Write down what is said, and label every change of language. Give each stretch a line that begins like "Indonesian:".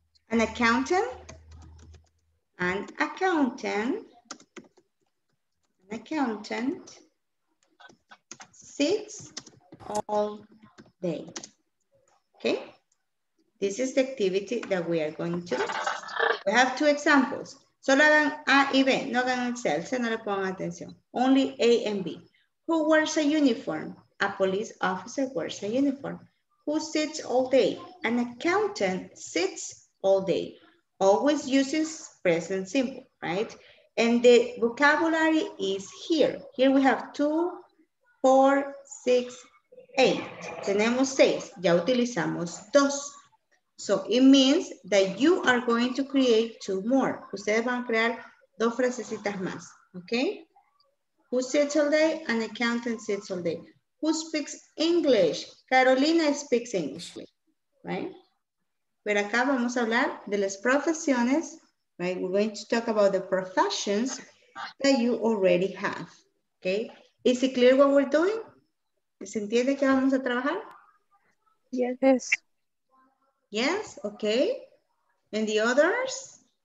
English: An accountant? An accountant. An accountant sits all day. Okay? This is the activity that we are going to do. We have two examples.
Spanish: Solo hagan A y B, no hagan Excel, se no le pongan atención.
English: Only A and B. Who wears a uniform? A police officer wears a uniform. Who sits all day? An accountant sits all day. Always uses present simple, right? And the vocabulary is here. Here we have 2, 4, 6, 8.
Spanish: Tenemos 6. Ya utilizamos 2.
English: So it means that you are going to create 2 more.
Spanish: Ustedes van a crear 2 frasecitas más. Okay?
English: Who sits all day? An accountant sits all day. Who speaks English? Carolina speaks English. Right?
Spanish: Pero acá vamos a hablar de las profesiones.
English: Right? We're going to talk about the professions that you already have. Okay? Is it clear what we're doing?
Spanish: ¿Se entiende que vamos a trabajar?
English: Yes. Yes, okay. And the others?